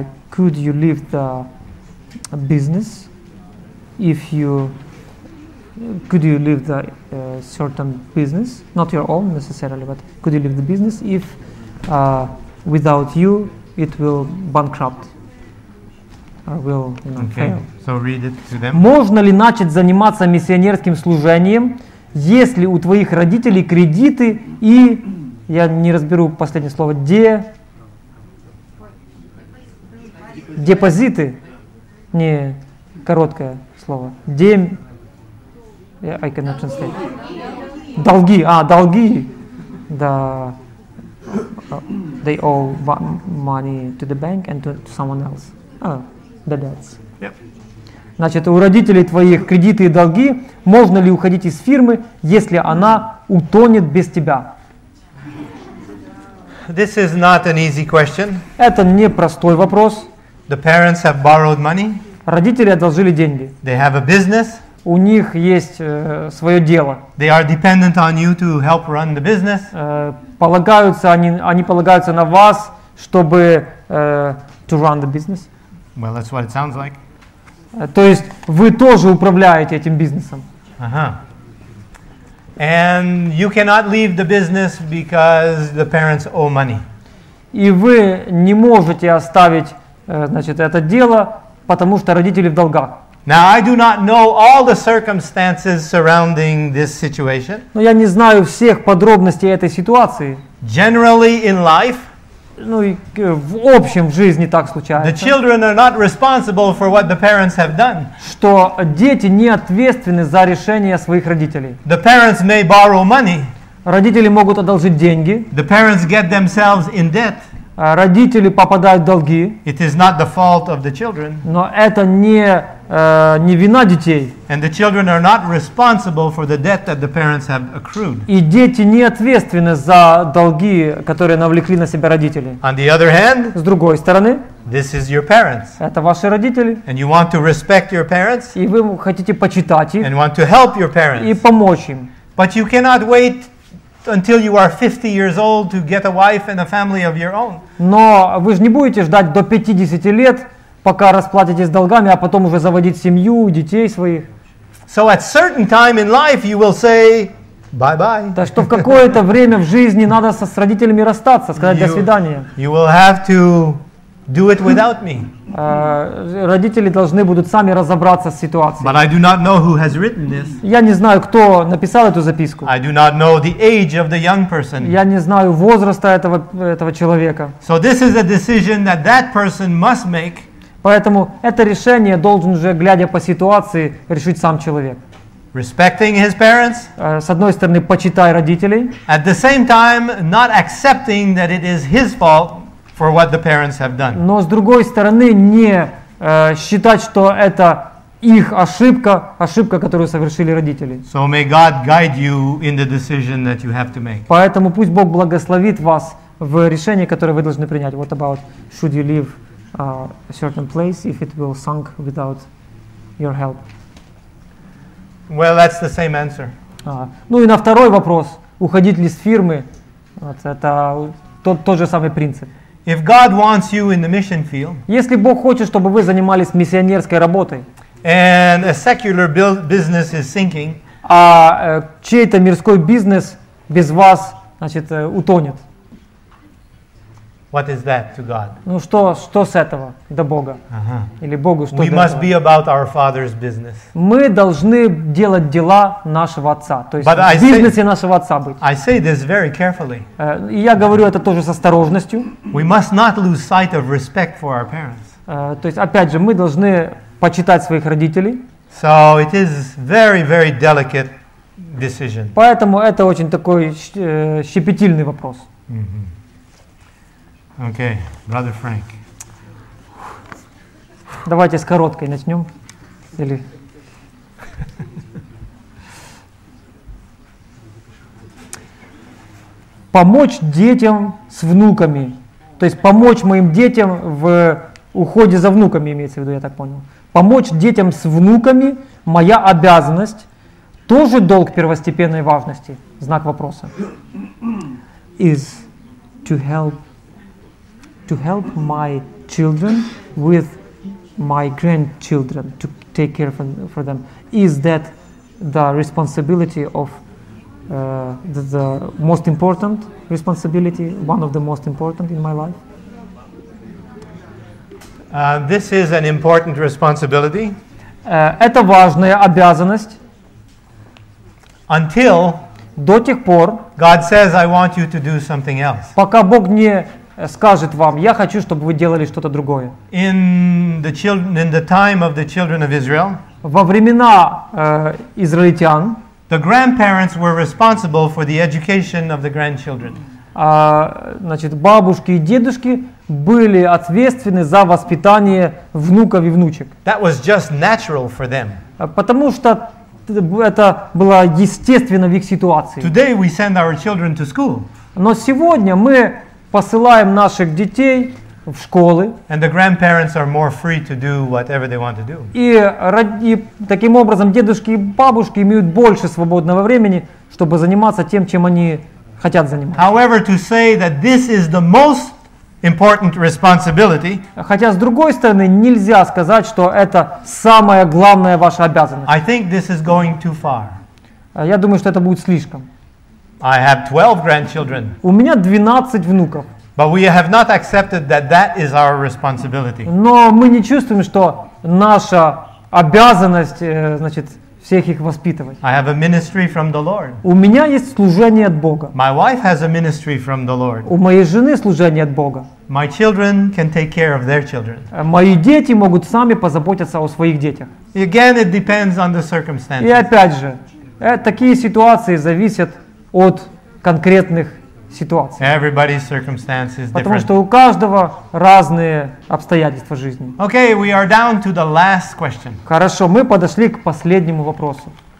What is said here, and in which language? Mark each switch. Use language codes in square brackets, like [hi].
[en] Could you leave the business if you could you leave the certain business, not your own necessarily, but could you leave the business if without you it will bankrupt or will, you know, okay. fail. So read it to them. [ru] Можно ли начать заниматься миссионерским служением, если у твоих родителей кредиты и я не разберу последнее слово, депозиты, не короткое слово, [en] I cannot translate. [ru] Долги, долги. [en] They owe money to the bank and to someone else. The debts. Yep. [ru] Значит, у родителей твоих кредиты и долги, можно ли уходить из фирмы, если она утонет без тебя? [en] This is not an easy question. [ru] Это не простой вопрос. [en] The parents have borrowed money. [ru] Родители одолжили деньги. [en] They have a business. [ru] У них есть свое дело. [en] They are dependent on you to help run the business. [ru] Полагаются они полагаются на вас, чтобы [en] to run the business. Well, that's what it sounds like. [ru] То есть вы тоже управляете этим бизнесом. [en] And you cannot leave the business because the parents owe money. [ru] И вы не можете оставить, значит, это дело, потому что родители в долгах. [en] Now I do not know all the circumstances surrounding this situation. [ru] Но я не знаю всех подробностей этой ситуации. [en] Generally in life, [ru] ну и в общем в жизни так случается. [en] The children are not responsible for what the parents have done. [ru] Что дети не ответственны за решения своих родителей. [en] The parents may borrow money. [ru] Родители могут одолжить деньги. [en] The parents get themselves in debt. [ru] Родители попадают в долги. [en] It is not the fault of the children. [ru] Но это не вина детей. [en] And the children are not responsible for the debt that the parents have accrued. [ru] И дети не ответственны за долги, которые навлекли на себя родители. [en] On the other hand, [ru] с другой стороны, [en] this is your parents. [ru] Это ваши родители. [en] And you want to respect your parents. [ru] И вы хотите почитать их. [en] And want to help your parents. [ru] И помочь им. [en] But you cannot wait until you are 50 years old to get a wife and a family of your own. [ru] Но вы же не будете ждать до 50 лет, пока расплатитесь долгами, а потом уже заводить семью, детей своих. [en] So at certain time in life you will say bye-bye. [ru] Так что в какое-то время в жизни надо с родителями расстаться, сказать до свидания. [en] You will have to do it without me. [ru] Родители должны будут сами разобраться с ситуацией. [en] But I do not know who has written this. [ru] Я не знаю, кто написал эту записку. [en] I do not know the age of the young person. [ru] Я не знаю возраста этого человека. [en] So this is a decision that that person must make. [ru] Поэтому это решение должен уже, глядя по ситуации, решить сам человек. [en] Respecting his parents. [ru] С одной стороны, почитай родителей. [en] At the same time, not accepting that it is his fault for what the parents have done. [ru] Но с другой стороны, не считать, что это их ошибка, ошибка, которую совершили родители. [en] So may God guide you in the decision that you have to make. [ru] Поэтому пусть Бог благословит вас в решении, которое вы должны принять. [en] What about should you leave a certain place if it will sink without your help? Well, that's the same answer. [ru] Ну и на второй вопрос, уходить ли с фирмы, вот это тот же самый принцип. [en] If God wants you in the mission field, [ru] если Бог хочет, чтобы вы занимались миссионерской работой, [en] and a secular business is sinking, [ru] а чей-то мирской бизнес без вас, значит, утонет. [en] What is that to God? [ru] Ну что с этого до Бога? Или Богу что [en] We [ru] до [en] must [ru] этого? [en] Be about our father's business. [ru] Мы должны делать дела нашего отца, то есть But в бизнесе нашего отца быть. [en] I say this very carefully. [ru] Я говорю это тоже с осторожностью. [en] We must not lose sight of respect for our parents. [ru] То есть опять же мы должны почитать своих родителей. [en] So it is very, very delicate decision. [ru] Поэтому это очень такой щепетильный вопрос. [en] Mm-hmm. Okay, brother Frank. [ru] Давайте с короткой начнем. Или... помочь детям с внуками. То есть помочь моим детям в уходе за внуками, имеется в виду, я так понял. Помочь детям с внуками – моя обязанность. Тоже долг первостепенной важности? Знак вопроса. [en] Is to help my children with my grandchildren, to take care for them. Is that the responsibility of the most important responsibility, one of the most important in my life? This is an important responsibility. [ru] Это важная обязанность. [en] Until [ru] до тех пор [en] God says, I want you to do something else. [ru] Пока Бог не скажет вам, я хочу, чтобы вы делали что-то другое. [en] In the time of the children of Israel, [ru] во времена израильтян, [en] the grandparents were responsible for the education of the grandchildren. [ru] Значит, бабушки и дедушки были ответственны за воспитание внуков и внучек. [en] That was just natural for them. [ru] Потому что это было естественно в их ситуации. [en] Today we send our children to school. [ru] Но сегодня мы посылаем наших детей в школы. [en] And the grandparents are more free to do whatever they want to do. [ru] И таким образом дедушки и бабушки имеют больше свободного времени, чтобы заниматься тем, чем они хотят заниматься. [en] However, to say that this is the most important responsibility. [ru] Хотя с другой стороны нельзя сказать, что это самая главная ваша обязанность. [en] I think this is going too far. [ru] Я думаю, что это будет слишком. [en] I have 12 grandchildren. [ru] У меня 12 внуков. [en] But we have not accepted that that is our responsibility. [ru] Но мы не чувствуем, что наша обязанность, значит, всех их воспитывать. [en] I have a ministry from the Lord. [ru] У меня есть служение от Бога. [en] My wife has a ministry from the Lord. [ru] У моей жены служение от Бога. [en] My children can take care of their children. [ru] Мои дети могут сами позаботиться о своих детях. [en] Again, it depends on the circumstances. [ru] И опять же, такие ситуации зависят от конкретных ситуации. [en] Everybody's circumstances different. [ru] Потому что у каждого разные обстоятельства жизни. [en] Okay, we are down to the last question. [ru] Хорошо, мы подошли к последнему вопросу.